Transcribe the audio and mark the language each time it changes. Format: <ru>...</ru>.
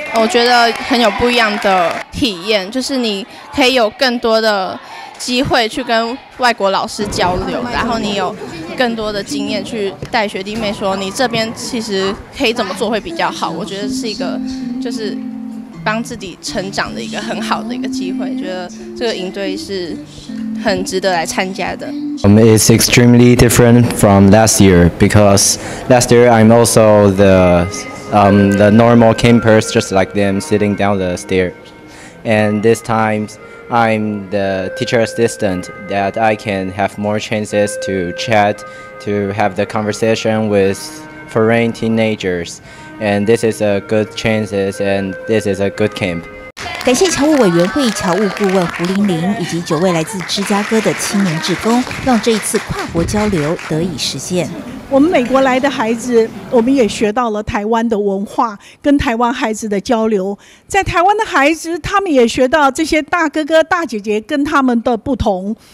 <zh>我觉得很有不一样的体验，就是你可以有更多的机会去跟外国老师交流，然后你有更多的经验去带学弟妹说你这边其实可以怎么做会比较好，我觉得是一个就是帮自己成长的一个很好的一个机会，觉得这个营队是很值得来参加的。</zh> <en>It's extremely different from last year because last year I'm also the normal campers just like them sitting down the stairs, and this timeI'm the teacher assistant that I can have more chances to chat, to have the conversation with foreign teenagers. And this is a good chance and this is a good camp.</en> <zh>感谢侨务委员会侨务顾问胡玲玲以及9位来自芝加哥的青年志工，让这一次跨国交流得以实现。我们美国来的孩子，我们也学到了台湾的文化，跟台湾孩子的交流。在台湾的孩子，他们也学到这些大哥哥大姐姐跟他们的不同。</zh>